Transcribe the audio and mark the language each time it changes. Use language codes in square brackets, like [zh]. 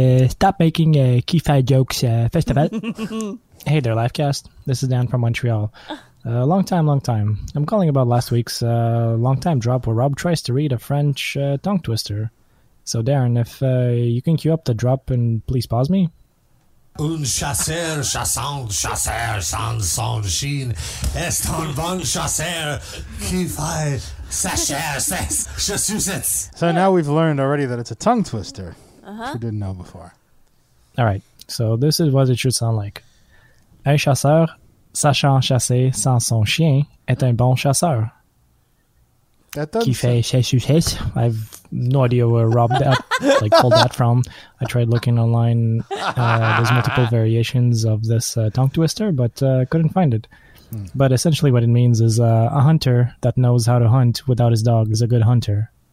[en] Stop making Keyfi jokes, first of all. Hey there, Livecast. This is Dan from Montreal. Long time. I'm calling about last week's long time drop where Rob tries to read a French tongue twister. So, Darren, if you can cue up the drop and please pause me. [fr] Un chasseur chasseur sans son chien est un bon chasseur qui fait sa chair ses chaussettes. [en] So now we've learned already that it's a tongue twister, which we didn't know before. All right, so this is what it should sound like. [fr] Un chasseur sachant chasser sans son chien est un bon chasseur. Qui fait ses chaussettes. [en] I have no idea where Rob pulled that from. I tried looking online. There's multiple variations of this tongue twister, but couldn't find it. But essentially what it means is a hunter that knows how to hunt without his dog is a good hunter.